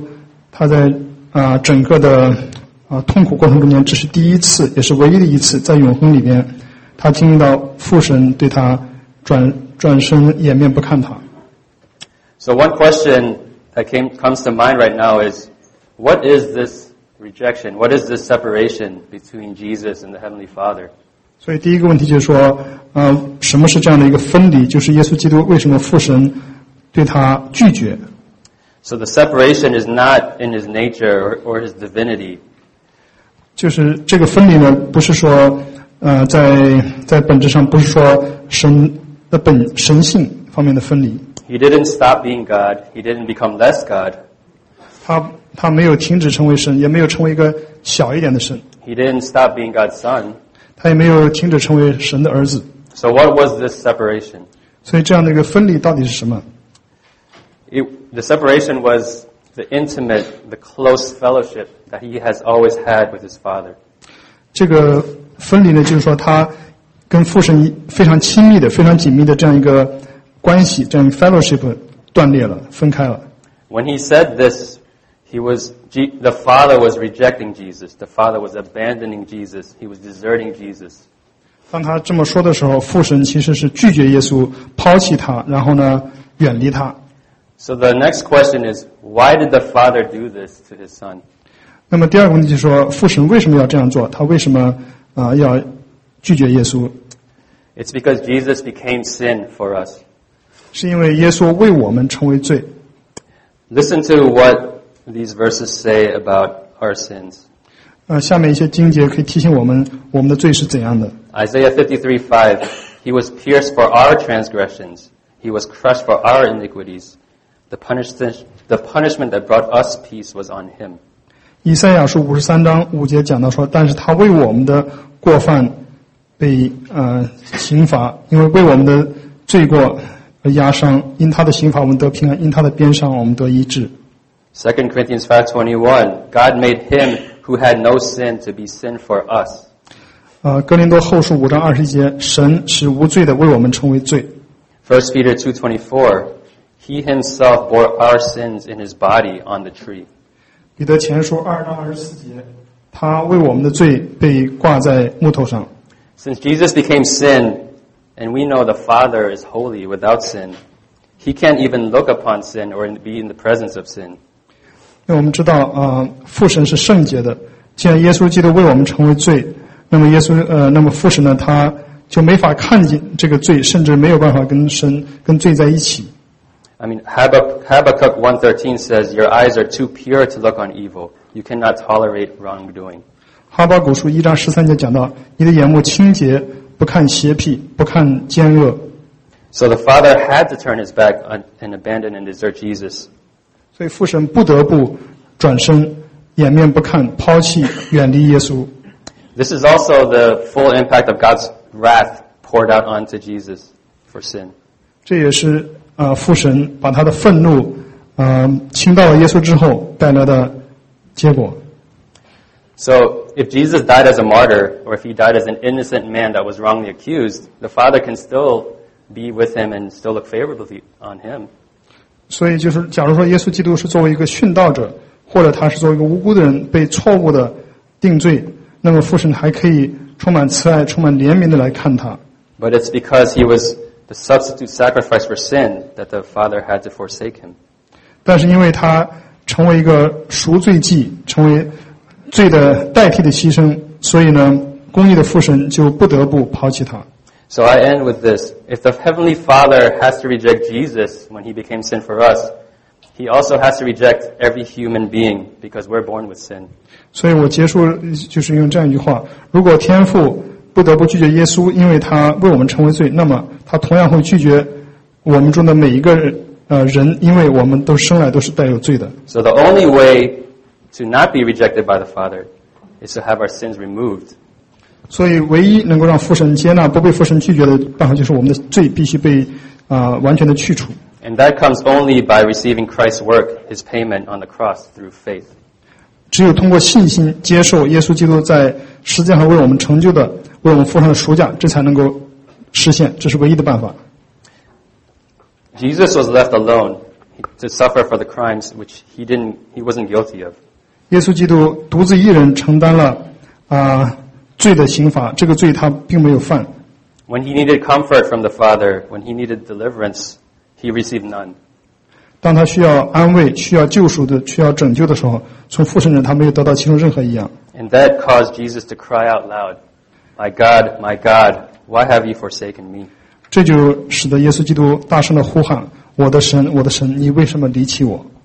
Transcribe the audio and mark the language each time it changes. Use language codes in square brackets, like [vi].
[zh] 因为这是在耶稣他在整个的 痛苦过程中间,这是第一次,也是唯一的一次,在永恒里边, 他听到父神对他转身掩面不看他。 [en] So one question that comes to mind right now is, what is this rejection? What is this separation between Jesus and the Heavenly Father? [zh] 所以第一个问题就是说, 什么是这样的一个分离? 就是耶稣基督为什么父神对他拒绝? [en] So the separation is not in his nature or his divinity. [zh] 就是这个分离呢，不是说在本质上不是说神的本神性方面的分离。 [en] He didn't stop being God. He didn't become less God. [zh] 他没有停止成为神，也没有成为一个小一点的神。 [en] He didn't stop being God's son. [zh] 他也没有停止成为神的儿子。 [en] So what was this separation? [zh] 所以这样的一个分离到底是什么？ [en] The separation was the intimate, the close fellowship that he has always had with his father. [zh] 这个分离呢，就是说他跟父神非常亲密的、非常紧密的这样一个关系，这样一个 fellowship 断裂了，分开了。 [en] When he said this, the father was rejecting Jesus. The father was abandoning Jesus. He was deserting Jesus. [zh] 当他这么说的时候，父神其实是拒绝耶稣，抛弃他，然后呢，远离他。 [en] So the next question is, why did the father do this to his son? [zh] 那么第二个问题就是说，父神为什么要这样做？他为什么？要拒绝耶稣。 [en] It's because Jesus became sin for us. [zh] 是因为耶稣为我们成为罪。 [en] Listen to what these verses say about our sins. [zh] 下面一些经节可以提醒我们，我们的罪是怎样的。 [en] Isaiah 53:5, He was pierced for our transgressions. He was crushed for our iniquities. The punishment that brought us peace was on him. [zh] 以赛亚书53章5节讲到说，但是他为我们的过犯被刑罚，因为为我们的罪过而压伤，因他的刑罚我们得平安，因他的鞭伤我们得医治。 [en] 2 Corinthians 5:21, God made him who had no sin to be sin for us. [zh] 哥林多后书5:20，神使无罪的为我们成为罪。 [en] 1 Peter 2:24, He himself bore our sins in his body on the tree. [zh] 彼得前书2:24，他为我们的罪被挂在木头上。 [en] Since Jesus became sin, and we know the Father is holy without sin, he can't even look upon sin or be in the presence of sin. [zh] 因为我们知道，父神是圣洁的。既然耶稣基督为我们成为罪，那么父神呢，他就没法看见这个罪，甚至没有办法跟罪在一起。 [en] I mean, Habakkuk 1:13 says, "Your eyes are too pure to look on evil. You cannot tolerate wrongdoing." [zh] 哈巴谷书1:13讲到，你的眼目清洁，不看邪僻，不看奸恶。 [en] So the father had to turn his back and abandon and desert Jesus. [zh] 所以父神不得不转身，掩面不看，抛弃，远离耶稣。 [en] This is also the full impact of God's wrath poured out onto Jesus for sin. [zh] 这也是父神把他的愤怒倾倒了耶稣之后带来的结果。 [en] So, if Jesus died as a martyr, or if he died as an innocent man that was wrongly accused, the Father can still be with him and still look favorably on him. [zh] 所以就是假如说耶稣基督是作为一个殉道者，或者他是作为一个无辜的人被错误的定罪，那么父神还可以充满慈爱，充满怜悯的来看他。 [en] But it's because he was the substitute sacrifice for sin that the father had to forsake him. [zh] 但是因为他成为一个赎罪祭，成为罪的代替的牺牲，所以呢，公义的父神就不得不抛弃他。 [en] So I end with this. If the heavenly father has to reject Jesus when he became sin for us, he also has to reject every human being because we're born with sin. [zh] 所以我结束就是用这样一句话，如果天父不得不拒绝耶稣，因为他为我们成为罪，那么他同样会拒绝我们中的每一个人，因为我们都生来都是带有罪的。 [en] So the only way to not be rejected by the Father is to have our sins removed. [zh] 所以唯一能够让父神接纳，不被父神拒绝的办法，就是我们的罪必须被完全的去除。 [en] And that comes only by receiving Christ's work, his payment on the cross through faith. [zh] 只有通过信心接受耶稣基督在实际上为我们成就的，为我们付上的赎价，这才能够实现，这是唯一的办法。 [en] Jesus was left alone to suffer for the crimes which he wasn't guilty of. [zh] 耶稣基督独自一人承担了罪的刑罚，这个罪他并没有犯。 [en] When he needed comfort from the Father, when he needed deliverance, he received none. [zh] 当他需要安慰、需要救赎的、需要拯救的时候，从父神那他没有得到其中任何一样。 [en] And that caused Jesus to cry out loud. My God, my God, why have you forsaken me? [zh] 这就使得耶稣基督大声的呼喊，我的神，我的神，你为什么离弃我？